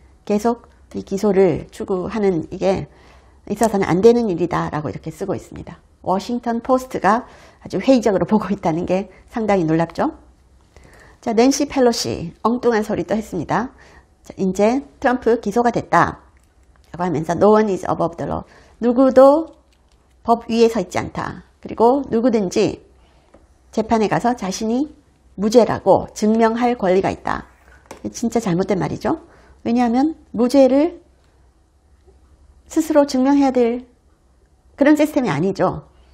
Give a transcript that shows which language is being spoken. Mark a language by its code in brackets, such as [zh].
[ko] 계속 이 기소를 추구하는 이게 있어서는 안 되는 일이다. 라고 이렇게 쓰고 있습니다. 워싱턴 포스트가 아주 회의적으로 보고 있다는 게 상당히 놀랍죠. 자, 낸시 펠로시 엉뚱한 소리도 했습니다. 자, 이제 트럼프 기소가 됐다. 라고 하면서 [en] No one is above the law. [ko] 누구도 법 위에 서 있지 않다. 그리고 누구든지 재판에 가서 자신이 무죄라고 증명할 권리가 있다. 진짜 잘못된 말이죠. 왜냐하면 무죄를 스스로 증명해야 될 그런 시스템이 아니죠.